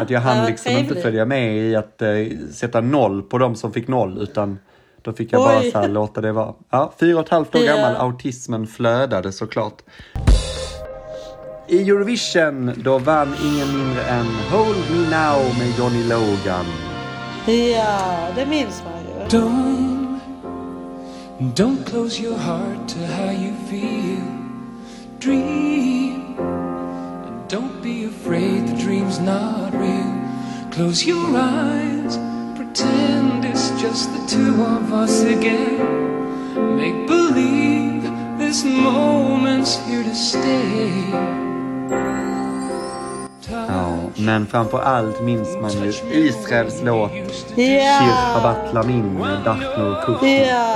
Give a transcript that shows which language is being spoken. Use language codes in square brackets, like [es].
[sv] att jag hann liksom inte följa med i att sätta 0 på dem som fick 0. Utan då fick jag bara så här låta det vara. Ja, 4,5 år gammal. Autismen flödade såklart. I Eurovision då vann ingen mindre än Hold Me Now med Johnny Logan. Ja, det minns man ju. [en] Don't close your heart to how you feel. Dream, and don't be afraid, the dream's not real. Close your eyes, pretend it's just the two of us again. Make believe this moment's here to stay. [sv] Touch, ja, men framför allt minns man ju Israels låt Shir Habatlamin med Dachno och Kuchno.